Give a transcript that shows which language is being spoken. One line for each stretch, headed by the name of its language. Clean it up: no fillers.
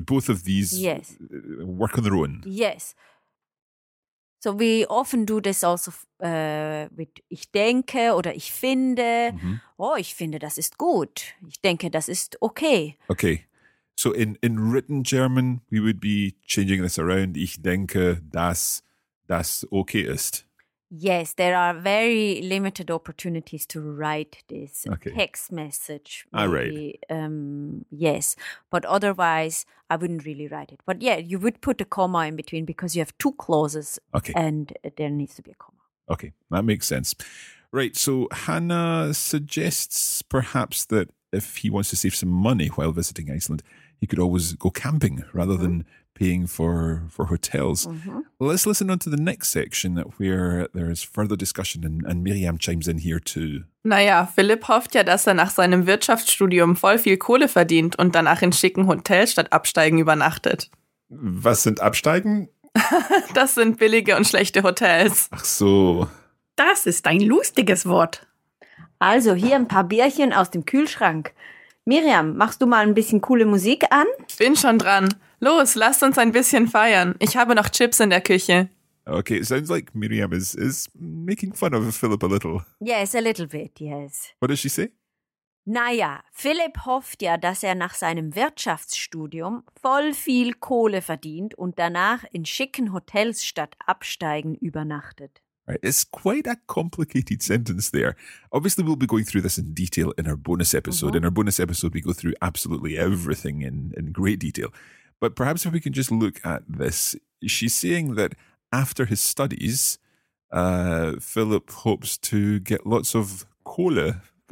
English: Both of these work on their own. Yes. So we often do this also with
German: ich denke oder ich finde.
English: Mm-hmm.
German: Oh, ich finde, das ist gut. Ich denke, das ist okay.
English: Okay. So in written German, we would be changing this around.
German: Ich denke, dass das okay ist.
English: Yes, there are very limited opportunities to write this text message. Maybe. I write. Yes, but otherwise I wouldn't really write it. But yeah, you would put a comma in between because you have two clauses and there needs to be a comma. Okay, that makes sense. Right, so Hannah suggests perhaps that if he wants to save some money while visiting Iceland, he could always go camping rather than paying for hotels. Mm-hmm. Let's listen on to the next section where there is further discussion and Miriam chimes in here too.
German: Naja, Philipp hofft ja, dass nach seinem Wirtschaftsstudium voll viel Kohle verdient und danach in schicken Hotels statt Absteigen übernachtet. Was sind Absteigen? Das sind billige und schlechte Hotels. Ach so. Das ist ein lustiges Wort. Also hier ein paar Bierchen aus dem Kühlschrank. Miriam, machst du mal ein bisschen coole Musik an? Bin schon dran. Los, lasst uns ein bisschen feiern. Ich habe noch Chips in der Küche.
English: Okay, it sounds like Miriam is making fun of Philip a little. Yes, a little bit, yes. What does she say?
German: Naja, Philip hofft ja, dass nach seinem Wirtschaftsstudium voll viel Kohle verdient und danach in schicken Hotels statt Absteigen übernachtet.
English: It's quite a complicated sentence there. Obviously, we'll be going through this in detail in our bonus episode. Mm-hmm. In our bonus episode, we go through absolutely everything in great detail. But perhaps if we can just look at this, she's saying that after his studies, Philip hopes to get lots of Kohle.